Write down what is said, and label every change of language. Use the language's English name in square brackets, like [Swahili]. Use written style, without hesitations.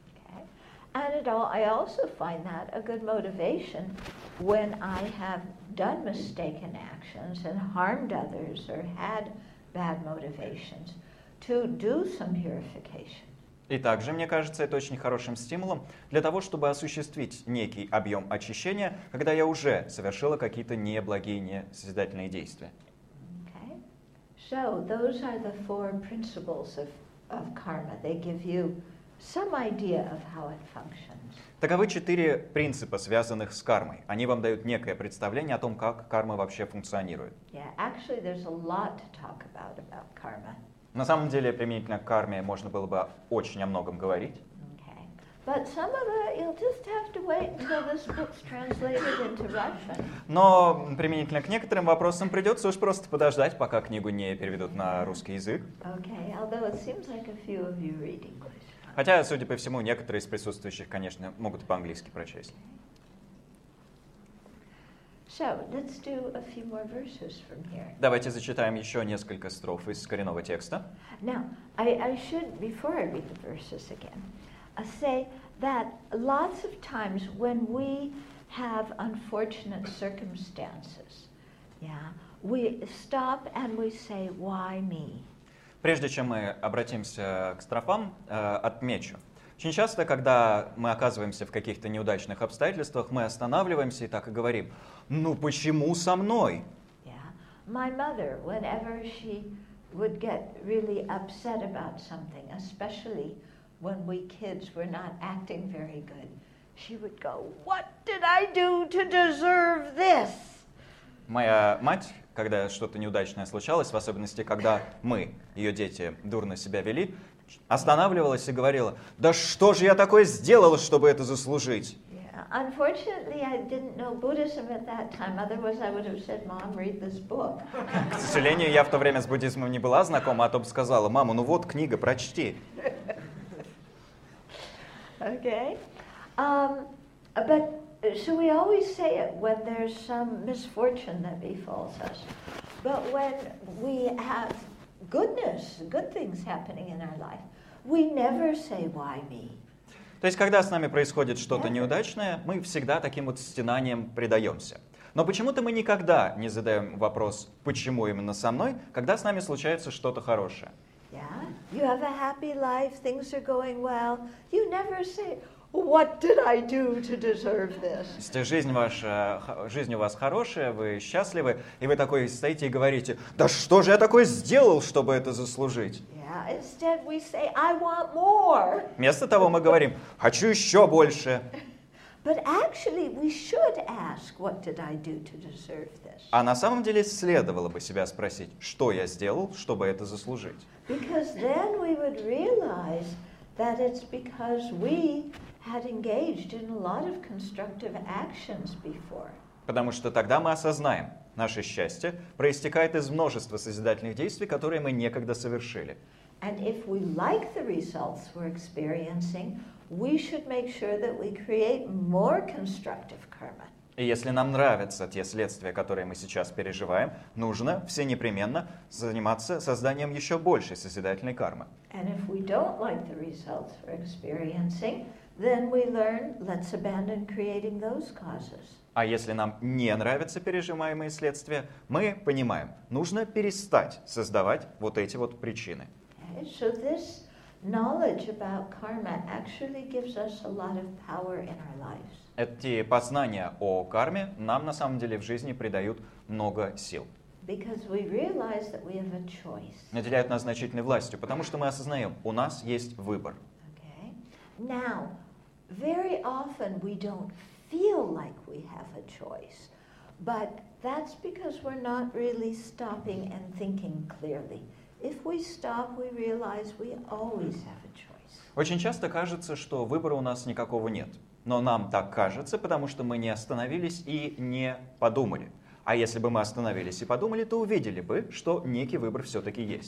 [English] Okay. And I also find that a good motivation when I have done mistaken actions and harmed others or had bad motivations to do some purification. [Russian] И также, мне кажется, это очень хорошим стимулом для того, чтобы осуществить некий объем очищения, когда я уже совершила какие-то неблагие, несозидательные действия. [English] Okay. So, those are the four principles of karma. They give you some idea of how it functions. [Russian] Таковы четыре принципа, связанных с кармой. Они вам дают некое представление о том, как карма вообще функционирует. [English] Yeah, actually, there's a lot to talk about karma. [Russian] На самом деле, применительно к карме можно было бы очень о многом говорить. [English] Okay. But some of it, you'll just have to wait until this book's translated into Russian. [Russian] Но применительно к некоторым вопросам придется уж просто подождать, пока книгу не переведут на русский язык. [English] Okay. Although it seems like a few of you read English. [Russian] Хотя, судя по всему, некоторые из присутствующих, конечно, могут по-английски прочесть. [English] So, let's do a few more verses from here. [Russian] Давайте зачитаем еще несколько строф из коренного текста. [English] Now, I should, before I read the verses again, say that lots of times when we have unfortunate circumstances, yeah, we stop and we say, why me? [Russian] Прежде чем мы обратимся к строфам, отмечу. Очень часто, когда мы оказываемся в каких-то неудачных обстоятельствах, мы останавливаемся и так и говорим: «Ну почему со мной?» [English] Yeah. My mother, whenever she would get really upset about something, especially when we kids were not acting very good, she would go, "What did I do to deserve this?" [Russian] Моя мать, когда что-то неудачное случалось, в особенности, когда мы, ее дети, дурно себя вели, останавливалась и говорила: «Да что же я такое сделала, чтобы это заслужить?» [English] Yeah. Unfortunately, I didn't know Buddhism at that time. Otherwise, I would have said, "Mom, read this book." [Russian] К сожалению, я в то время с буддизмом не была знакома, а то бы сказала: «Мама, ну вот книга, прочти». [English] Okay. But so we always say it when there's some misfortune that befalls us. But when we have goodness, good things happening in our life, we never say, "Why me?" [Russian] То есть, когда с нами происходит что-то неудачное, мы всегда таким вот стенанием предаемся. Но почему-то мы никогда не задаем вопрос, почему именно со мной, когда с нами случается что-то хорошее. [English] Yeah, you have a happy life, things are going well. You never say, "What did I do to deserve this?" [Russian] Если жизнь у вас хорошая, вы счастливы, и вы такой стоите и говорите: "Да что же я такое сделал, чтобы это заслужить?" [English] Yeah, instead we say, "I want more." [Russian] Вместо того мы говорим: "Хочу еще больше." [English] But actually we should ask, "What did I do to deserve this?" [Russian] А на самом деле следовало бы себя спросить, что я сделал, чтобы это заслужить. [English] Because then we would realize that it's because we had engaged in a lot of constructive actions before. [Russian] Потому что тогда мы осознаем, наше счастье проистекает из множества созидательных действий, которые мы некогда совершили. [English] And if we like the results we're experiencing, we should make sure that we create more constructive karma. [Russian] И если нам нравятся те следствия, которые мы сейчас переживаем, нужно все непременно заниматься созданием еще большей созидательной кармы. [English] And if we don't like the results we're experiencing, then we learn, let's abandon creating those causes. [Russian] А если нам не нравятся переживаемые следствия, мы понимаем, нужно перестать создавать вот эти вот причины. [English] Okay. So this knowledge about karma actually gives us a lot of power in our lives. [Russian] Эти познания о карме нам на самом деле в жизни придают много сил. [English] Because we realize that we have a choice. [Russian] Наделяют нас значительной властью, потому что мы осознаем, у нас есть выбор. [English] Okay. Now, very often we don't feel like we have a choice, but that's because we're not really stopping and thinking clearly. If we stop, we realize we always have a choice. [Russian] Очень часто кажется, что выбора у нас никакого нет. Но нам так кажется, потому что мы не остановились и не подумали. А если бы мы остановились и подумали, то увидели бы, что некий выбор все-таки